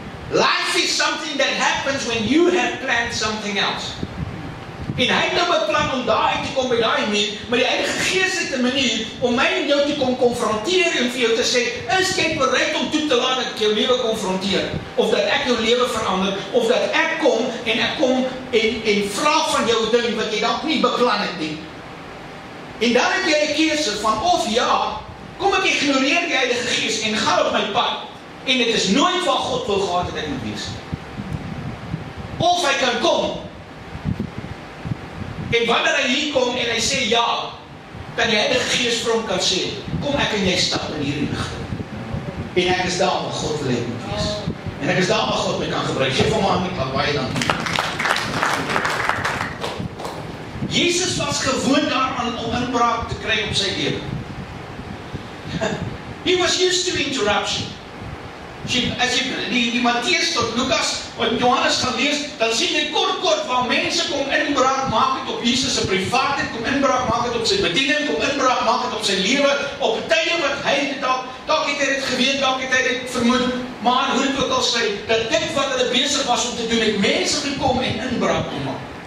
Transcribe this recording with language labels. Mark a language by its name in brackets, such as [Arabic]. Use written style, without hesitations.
[English] Life is something that happens when you have planned something else. [Afrikaans] En hy het nou 'n plan om daar uit te kom by daai muur, maar die Heilige Gees het 'n manier om my en jou te kom konfronteer en vir jou te sê, is jy bereid om toe te laat dat ek jou lewe konfronteer? Of dat ek jou lewe verander? Of dat ek kom en vra van jou ding wat jy dalk nie beplan het nie? En dan het jy die keuse van of ja, kom ek ignoreer die Heilige Gees en ga op my pad, en het is nooit wat God wil gehad het in die wees. Of hy kan kom, en wanneer hy hier kom en hy sê ja, kan die Heilige Gees vir hom kan sê, kom ek en jy stap in hierdie richting. En ek is daar waar God wil het in die wees. En ek is daar waar God my kan gebruik. Geef hom aan, ek laat baie dan. Jesus was gewoon daaraan om inbraak te kry op sy lewe. [English] He was used to interruption. [Afrikaans] As jy die Matteus tot Lukas en Johannes gaan lees, dan sien jy kort waar mense kom inbraak maak het op Jesus se privaatheid, kom inbraak maak het op sy bediening, kom inbraak maak het op sy lewe, op tye wat hy het dalk het hy dit geweet, dalk het hy dit vermoed, maar hoe dit ook al sê, dat dit wat hulle besig was om te doen, het mense gekom en inbraak gemaak.